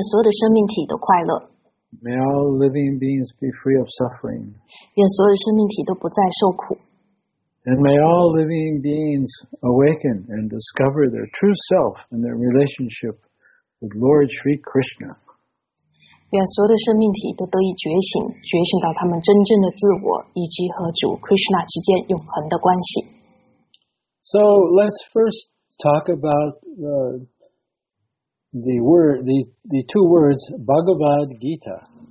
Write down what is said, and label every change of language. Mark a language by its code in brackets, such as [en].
[zh] 愿所有的生命体都快乐。 [en] May all living beings be free of suffering. [zh] 愿所有的生命体都不再受苦。 [en] And may all living beings awaken and discover their true self and their relationship with Lord Sri Krishna. [zh] 愿所有的生命体都得以觉醒到他们真正的自我以及和主 Krishna之间永恒的关系。 [en] So let's first talk about the two words Bhagavad Gita.